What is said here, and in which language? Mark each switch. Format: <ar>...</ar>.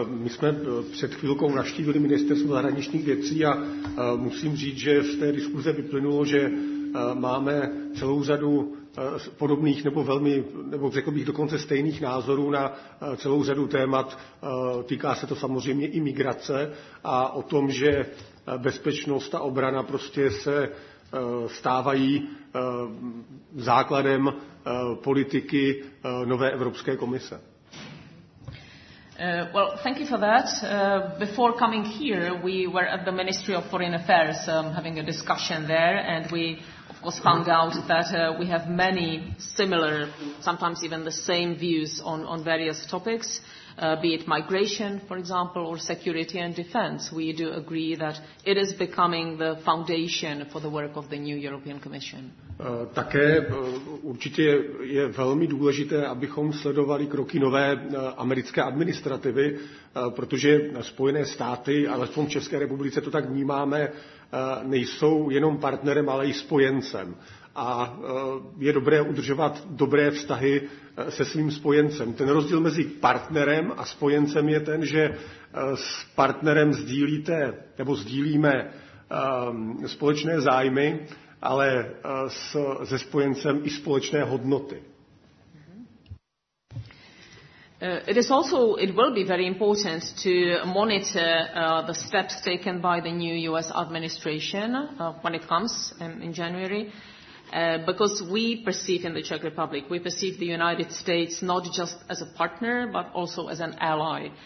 <cs>My jsme před chvilkou navštívili ministerstvo zahraničních věcí a musím říct, že z té diskuze vyplynulo, že máme celou řadu podobných nebo velmi, nebo řekl bych dokonce stejných názorů na celou řadu témat. Týká se to samozřejmě i migrace a o tom, že bezpečnost a obrana prostě se stávají základem politiky nové Evropské komise.</cs> <en>Well, thank you for that. Before coming here, we were at the Ministry of Foreign Affairs having a discussion there, and we of course found out that we have many similar, sometimes even the same views on various topics, be it migration, for example, or security and defense. We do agree that it is becoming the foundation for the work of the new European Commission.</en> <cs>Také určitě je velmi důležité, abychom sledovali kroky nové americké administrativy, protože Spojené státy, alespoň v České republice to tak vnímáme, nejsou jenom partnerem, ale i spojencem. A je dobré udržovat dobré vztahy se svým spojencem. Ten rozdíl mezi partnerem a spojencem je ten, že s partnerem sdílíte nebo sdílíme společné zájmy, ale se spojencem i společné hodnoty.</cs> <en>It will be very important to monitor the steps taken by the new US administration when it comes in January. Because we perceive in the Czech Republic, we perceive the United States not just as a partner, but also as an ally.</en>